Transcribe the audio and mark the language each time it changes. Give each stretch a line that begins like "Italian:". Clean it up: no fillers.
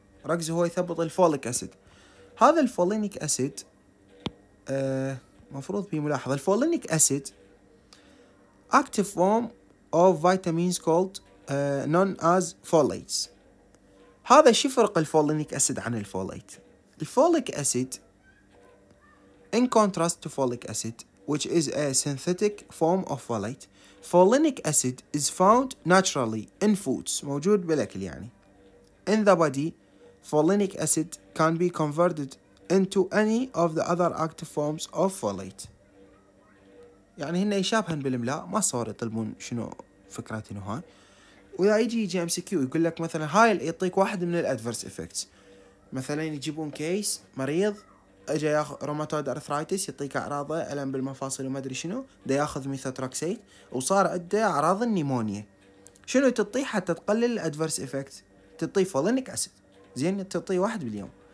Arabic: ركزوا، هو يثبط الفوليك اسيد. هذا الفولينيك اسيد مفروض في ملاحظه، الفولينيك اسيد اكتيف فورم اوف فيتامينز كولد نون از فوليتس. هذا شو فرق الفولينيك اسيد عن الفوليت؟ الفوليك اسيد ان كونتراست تو فوليك اسيد
English: which is a synthetic form of folate. Folinic acid is found naturally in foods.
Arabic: موجود بالأكل يعني.
English: In the body, folinic acid can be converted into any of the other active forms of folate.
Arabic: يعني هنا يشابهن بالإملاء، ما صار يطلبون شنو فكرتين هاي. وإذا يجي جي ام سي كيو يقول لك مثلا هاي اللي يعطيك واحد من الادفرس افكتس. مثلا يجيبون كيس مريض اجى ياخذ روماتويد ارثرايتس، يعطيك اعراضه الم بالمفاصل وما ادري شنو، دا ياخذ ميثوتراكسيت وصار عنده اعراض النيمونيا، شنو تعطي حتى تقلل الادفرس افكت؟ تعطي فولينيك اسيد زين، تعطي واحد باليوم.